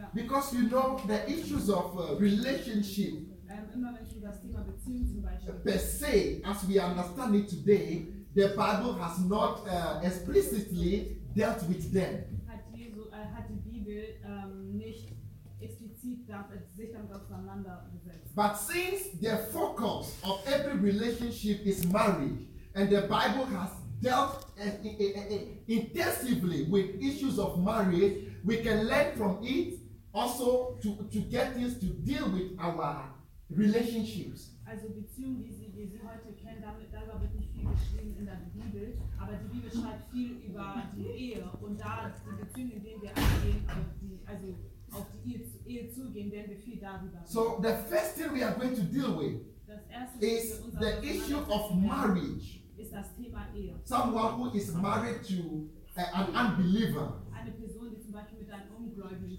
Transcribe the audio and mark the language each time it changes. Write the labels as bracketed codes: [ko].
[en] Because you know the issues of relationship. [de] Immer wenn ich über das Thema Beziehung zum Beispiel. [en] Per se, as we understand it today, the Bible has not explicitly dealt with them. [de] Hat die Bibel nicht explizit sich damit auseinandergesetzt. [en] But since the focus of every relationship is marriage, and the Bible has dealt intensively with issues of marriage, we can learn from it also to get things to deal with our relationships. [de] Also Beziehungen, die Sie heute kennen, darüber wird nicht viel geschrieben in der Bibel, aber die Bibel schreibt viel über die Ehe und da die Beziehungen, in denen wir eingehen, auf die Ehe zugehen, werden wir viel darüber. [en] So the first thing we are going to deal with is the issue of marriage. [de] Ist das Thema Ehe. [en] Someone who is married to an unbeliever. [de] Eine Person, die zum Beispiel mit einem Ungläubigen.